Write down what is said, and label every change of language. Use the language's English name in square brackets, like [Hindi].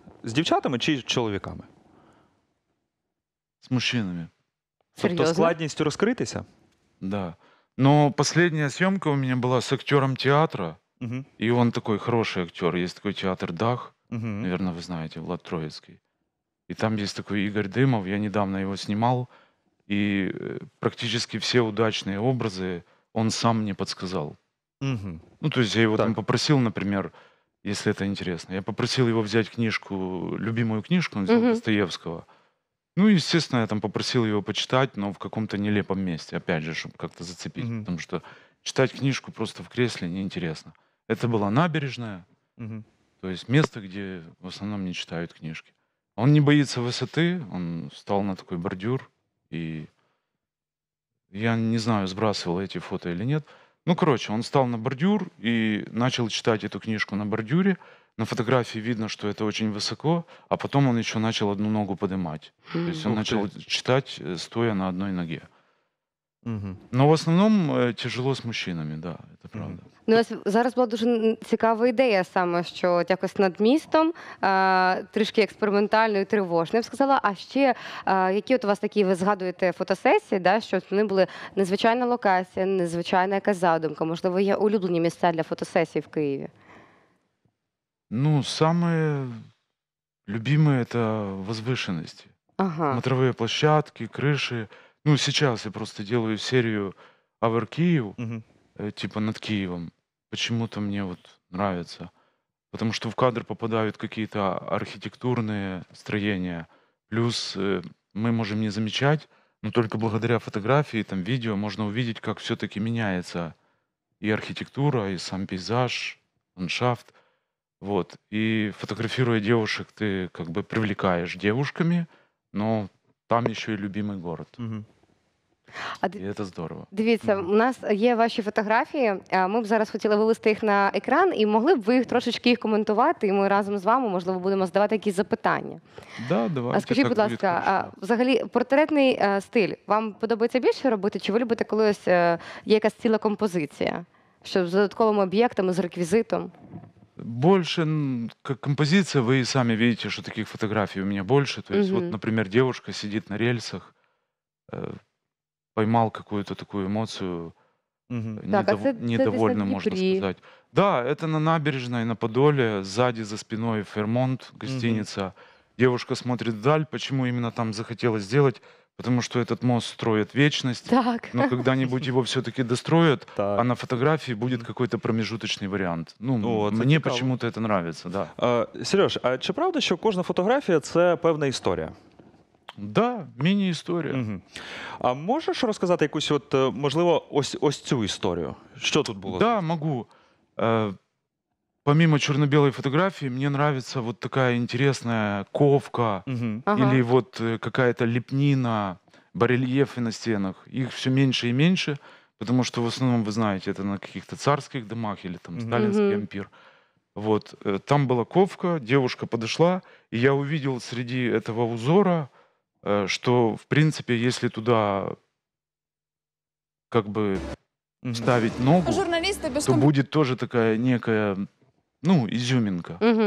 [Ukrainian] З дівчатами чи з чоловіками? З мужчинами. Серйозно? Тобто складністю розкритися? Да. Ну, [Russian] последняя съемка [Ukrainian] у мене була з актером театру. І він такий хороший актер. Є такий театр «Дах». Наверно, ви знаєте, Влад Троїцький. [Russian] И там есть такой Игорь Дымов, я недавно его снимал, и практически все удачные образы он сам мне подсказал. Угу. Ну, то есть я его так там попросил, например, если это интересно, я попросил его взять книжку, любимую книжку, он взял Достоевского. Ну, естественно, я там попросил его почитать, но в каком-то нелепом месте, опять же, чтобы как-то зацепить, потому что читать книжку просто в кресле неинтересно. Это была набережная, то есть место, где в основном не читают книжки. Он не боится высоты, он встал на такой бордюр, и я не знаю, сбрасывал эти фото или нет. Ну, короче, он встал на бордюр и начал читать эту книжку на бордюре. На фотографии видно, что это очень высоко, а потом он еще начал одну ногу поднимать. То есть он начал читать, стоя на одной ноге. Но в основном тяжело с мужчинами, да, это правда. [Ukrainian] Ну, зараз була дуже цікава ідея саме, що якось над містом, трішки експериментально і тривожно, я б сказала. А ще, які от у вас такі, ви згадуєте, фотосесії, да, що вони були незвичайна локація, незвичайна якась задумка? Можливо, є улюблені місця для фотосесій в Києві? Ну, саме любиме – це возвишеності. Ага. Смотрові площадки, криші. Ну, зараз я просто роблю серію «Авер Київ». [Russian] Типа над Киевом. Почему-то мне вот нравится. Потому что в кадр попадают какие-то архитектурные строения. Плюс мы можем не замечать, но только благодаря фотографии, там, видео, можно увидеть, как все-таки меняется и архитектура, и сам пейзаж, ландшафт. Вот. И фотографируя девушек, ты как бы привлекаешь девушками, но там еще и любимый город. А, [Ukrainian] і це здорово. Дивіться, у нас є ваші фотографії, ми б зараз хотіли вивести їх на екран, і могли б ви їх трошечки їх коментувати, і ми разом з вами, можливо, будемо задавати якісь запитання. [Russian] Да, давайте. [Ukrainian] А скажіть, будь ласка, взагалі портретний стиль вам подобається більше робити, чи ви любите, коли ось є якась ціла композиція, що з додатковими об'єктами, з реквізитом? Більше композиція, ви самі бачите, що таких фотографій у мене більше. Тобто, от, наприклад, дівчинка сидить на рельсах, [Russian] поймал какую-то такую эмоцию, недовольную, можно сказать. Да, это на набережной, на Подоле, сзади, за спиной Фермонт, гостиница. Девушка смотрит вдаль, почему именно там захотелось сделать, потому что этот мост строят вечность, так. Но когда-нибудь его все-таки достроят, а на фотографии будет какой-то промежуточный вариант. Ну, мне почему-то это нравится, да. Сереж, [Ukrainian] а чи правда, [Russian] что каждая фотография – это певная история? [Ukrainian] Да, міні-історія. Угу. А можеш розказати якусь, от, можливо, ось цю історію? Що тут було? [Russian] Да, могу. [Ukrainian] Помимо чорно-білої фотографії, мені подобається от така інтересна ковка, угу. Или от якась ліпніна. [Russian] барельефы на стенах, их все меньше и меньше, потому что в основном, вы знаете, это на каких-то царских домах или там сталинский ампир. Вот, там была ковка, девушка подошла, и я увидел среди этого узора, что, в принципе, если туда как бы ставить ногу, то будет тоже такая некая, ну, изюминка.